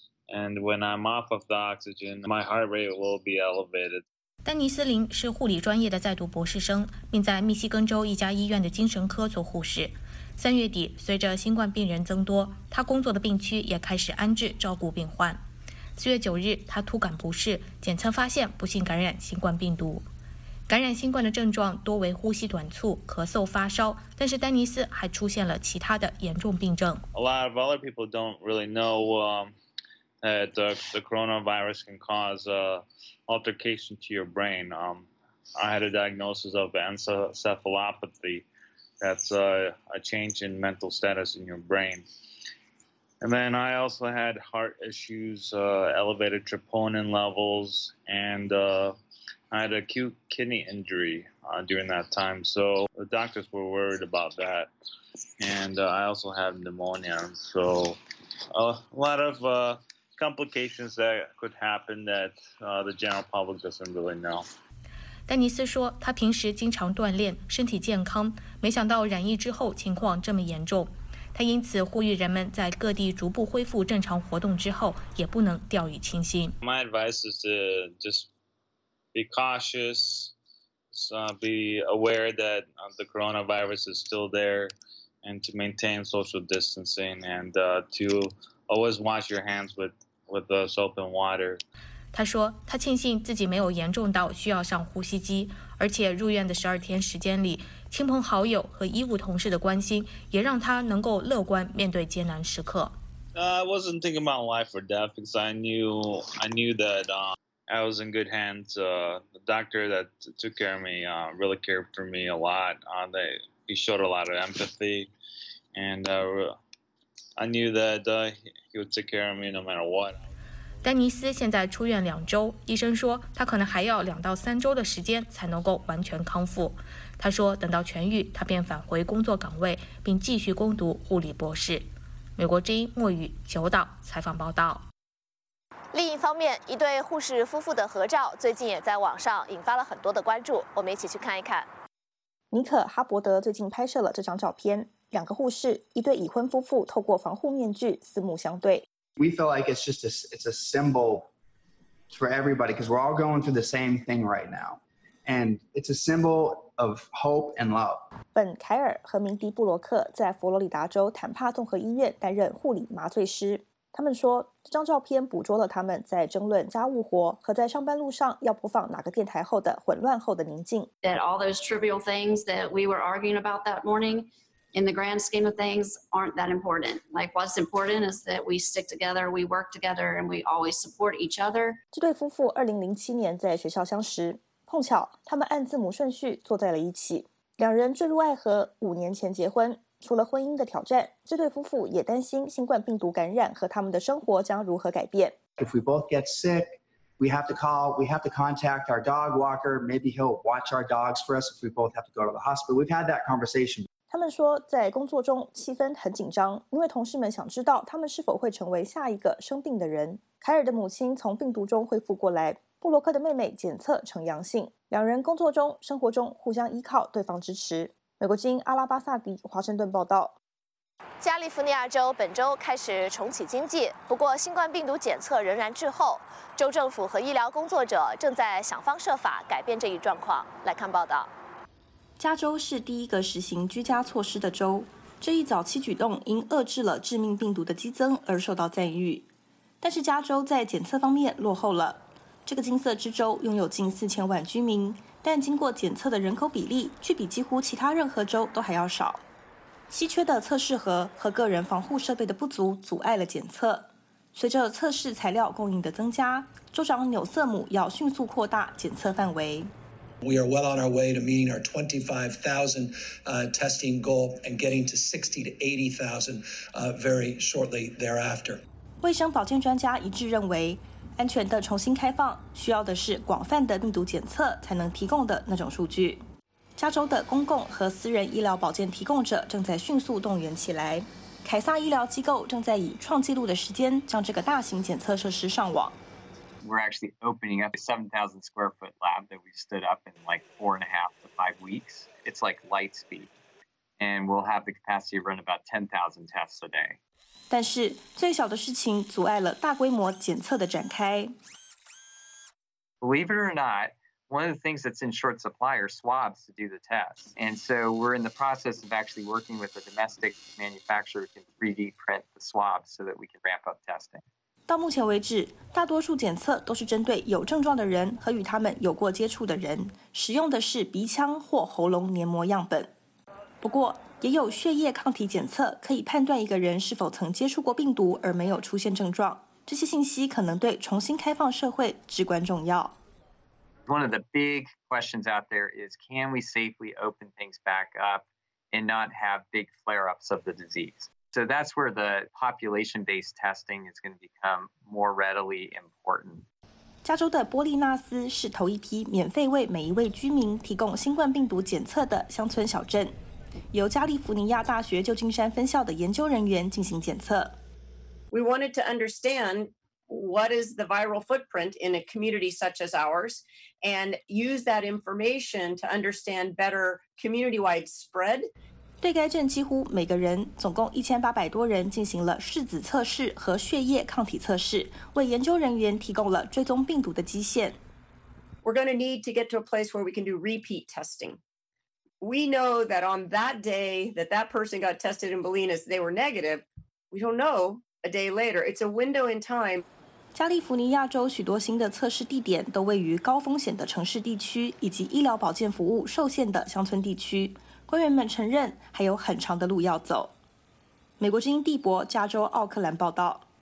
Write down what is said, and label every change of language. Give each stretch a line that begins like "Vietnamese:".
English: And when I'm off of the oxygen, my heart rate will be elevated.
Chinese: 丹尼斯林是护理专业的在读博士生，并在密西根州一家医院的精神科做护士。三月底，随着新冠病人增多，他工作的病区也开始安置照顾病患。 4月9日，他突感不适，检测发现不幸感染新冠病毒。感染新冠的症状多为呼吸短促、咳嗽、发烧，但是丹尼斯还出现了其他的严重病症。
English: A lot of other people don't really know that the coronavirus can cause altercation to your brain. I had a diagnosis of encephalopathy. That's a change in mental status in your brain. And then I also had heart issues, elevated troponin levels, and I had acute kidney injury during that time, so the doctors were worried about that. And I also had pneumonia, so a lot of complications that could happen that the general public doesn't really know.
Chinese: 丹尼斯说，他平时经常锻炼，身体健康，没想到染疫之后情况这么严重。他因此呼吁人们在各地逐步恢复正常活动之后，也不能掉以轻心。
English: My advice is to just be cautious, be aware that the coronavirus is still there, and to maintain social distancing and to always wash your hands with the soap and water.
Chinese: 他说，他庆幸自己没有严重到需要上呼吸机，而且入院的12天时间里，亲朋好友和医务同事的关心也让他能够乐观面对艰难时刻。
English: I wasn't thinking about life or death because I knew that I was in good hands. The doctor that took care of me really cared for me a lot. He showed a lot of empathy, and I knew that he would take care of me no matter what.
Chinese: 丹尼斯现在出院2周，医生说他可能还要2到3周的时间才能够完全康复。他说，等到痊愈，他便返回工作岗位，并继续攻读护理博士。美国之音莫宇九岛采访报道。另一方面，一对护士夫妇的合照最近也在网上引发了很多的关注，我们一起去看一看。尼可·哈伯德最近拍摄了这张照片，两个护士，一对已婚夫妇透过防护面具四目相对。
English: We feel like it's a symbol for everybody because we're all going through the same thing right now, and it's a symbol of hope and love.
Chinese: 本·凯尔和明迪·布罗克在佛罗里达州坦帕综合医院担任护理麻醉师。他们说，这张照片捕捉了他们在争论家务活和在上班路上要播放哪个电台后的混乱后的宁静。
English: That all those trivial things that we were arguing about that morning, in the grand scheme of things, aren't that important. Like, what's important is that we stick together, we work together, and we always support each other.
Chinese: 这对夫妇2007年在学校相识，碰巧他们按字母顺序坐在了一起，两人坠入爱河，5年前结婚。除了婚姻的挑战，这对夫妇也担心新冠病毒感染和他们的生活将如何改变。
English: If we both get sick, we have to contact our dog walker. Maybe he'll watch our dogs for us if we both have to go to the hospital. We've had that conversation.
Chinese: 他们说，在工作中气氛很紧张，因为同事们想知道他们是否会成为下一个生病的人。凯尔的母亲从病毒中恢复过来，布罗克的妹妹检测呈阳性，两人工作中、生活中互相依靠对方支持。美国之音阿拉巴萨迪华盛顿报道。加利福尼亚州本周开始重启经济，不过新冠病毒检测仍然滞后，州政府和医疗工作者正在想方设法改变这一状况。来看报道。加州是第一个实行居家措施的州，这一早期举动因遏制了致命病毒的激增而受到赞誉，但是加州在检测方面落后了。这个金色之州拥有近4000万居民，但经过检测的人口比例却比几乎其他任何州都还要少。稀缺的测试盒和个人防护设备的不足阻碍了检测。随着测试材料供应的增加，州长纽瑟姆要迅速扩大检测范围。
English: We are well on our way to meeting our 25,000 testing goal and getting to 60,000 to 80,000 very shortly thereafter.
Chinese: 卫生保健专家一致认为，安全的重新开放，需要的是广泛的病毒检测才能提供的那种数据。加州的公共和私人医疗保健提供者正在迅速动员起来，凯撒医疗机构正在以创纪录的时间将这个大型检测设施上网。
English: We're actually opening up a 7,000 square foot lab that we stood up in like 4.5 to 5 weeks. It's like light speed. And we'll have the capacity to run about 10,000 tests a day.
Chinese: 但是最小的事情阻碍了大规模检测的展开。
English: Believe it or not, one of the things that's in short supply are swabs to do the tests. And so we're in the process of actually working with a domestic manufacturer who can 3D print the swabs so that we can ramp up testing.
Chinese: 到目前为止，大多数检测都是针对有症状的人和与他们有过接触的人，使用的是鼻腔或喉咙黏膜样本。不过，也有血液抗体检测可以判断一个人是否曾接触过病毒而没有出现症状。这些信息可能对重新开放社会至关重要。
English: One of the big questions out there is, can we safely open things back up and not have big flare-ups of the disease? So that's where the population-based testing is going to become more readily important.
Chinese: 加州的波利纳斯是头一批免费为每一位居民提供新冠病毒检测的乡村小镇，由加利福尼亚大学旧金山分校的研究人员进行检测。
English: We wanted to understand what is the viral footprint in a community such as ours, and use that information to understand better community-wide spread.
Chinese: 对该镇几乎每个人，总共1800多人进行了拭子测试和血液抗体测试，为研究人员提供了追踪病毒的基线。
English: We're going to need to get to a place where we can do repeat testing. We know that on that day that that person got tested in Bolinas, they were negative. We don't know a day later. It's a window in time.
Chinese: 加利福尼亚州许多新的测试地点都位于高风险的城市地区以及医疗保健服务受限的乡村地区。官员们承认还有很长的路要走。美国之音帝国加州奥克兰报道。